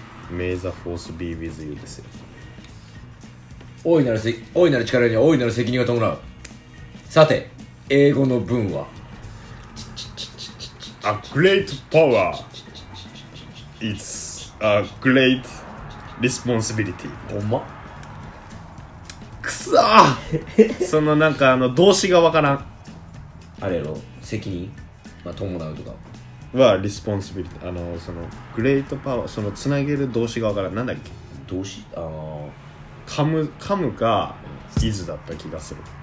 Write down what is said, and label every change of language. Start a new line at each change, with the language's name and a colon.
English: May the force be with you
Japanese: ですよ。大いなる力には大いなる責任が伴う。さて、英語の文は
English: A great power is a great responsibility。
Japanese: ほんま？くそーそのなんかあの動詞がわからん。あれやろ、責任、まあ、伴うとかは responsibility。あのその
English: great power、
Japanese: そのつなげる動詞がわからん。なんだっけ動詞、あー噛むか、うん、イズだった気がする。